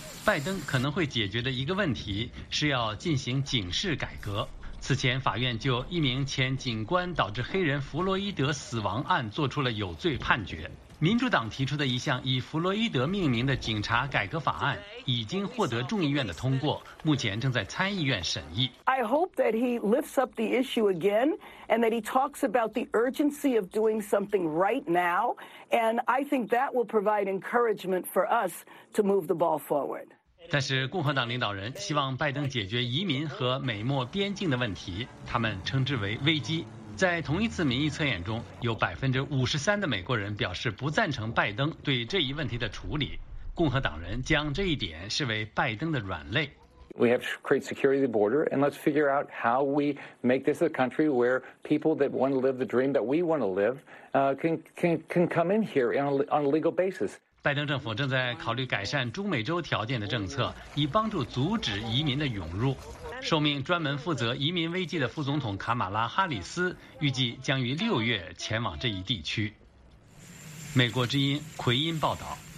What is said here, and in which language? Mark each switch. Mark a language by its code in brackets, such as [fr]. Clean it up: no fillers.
[zh] 拜登可能会解决的一个问题是要进行警示改革。此前，法院就一名前警官导致黑人弗洛伊德死亡案做出了有罪判决。民主党提出的一项以弗洛伊德命名的警察改革法案已经获得众议院的通过，目前正在参议院审议。 [en] I hope that he lifts up the issue again and that he talks about the urgency of doing something right now, and I think that will provide encouragement for us to move the ball forward. [zh] 但是共和党领导人希望拜登解决移民和美墨边境的问题，他们称之为危机。在同一次民意测验中，有53%的美国人表示不赞成拜登对这一问题的处理。共和党人将这一点视为拜登的软肋。 [en] We have to create security at the border, and let's figure out how we make this a country where people that want to live the dream that we want to live, can come in here on a legal basis. [zh] 拜登政府正在考虑改善中美洲条件的政策，以帮助阻止移民的涌入。受命专门负责移民危机的副总统卡马拉·哈里斯预计将于6月前往这一地区。美国之音奎因报道。